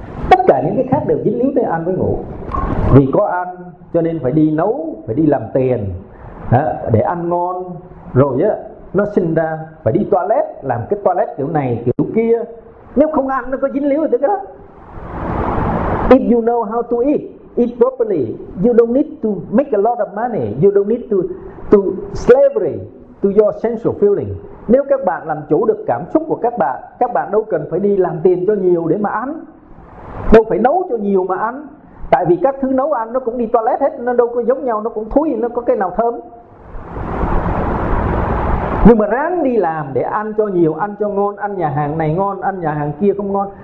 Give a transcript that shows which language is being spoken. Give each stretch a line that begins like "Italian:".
Vietnamese: Tất cả những cái khác đều dính líu tới ăn với ngủ. Vì có ăn cho nên phải đi nấu, phải đi làm tiền để ăn ngon. Rồi á, nó sinh ra phải đi toilet, làm cái toilet kiểu này kiểu kia. Nếu không ăn nó có dính líu tới cái đó.
English: If you know how to eat, eat properly, you don't need to make a lot of money, you don't need to slavery to your sensual feeling.
Vietnamese: Nếu các bạn làm chủ được cảm xúc của các bạn đâu cần phải đi làm tiền cho nhiều để mà ăn, đâu phải nấu cho nhiều mà ăn. Tại vì các thứ nấu ăn nó cũng đi toilet hết, nó đâu có giống nhau, nó cũng thúi, nó có cái nào thơm. Nhưng mà ráng đi làm để ăn cho nhiều, ăn cho ngon, ăn nhà hàng này ngon, ăn nhà hàng kia không ngon.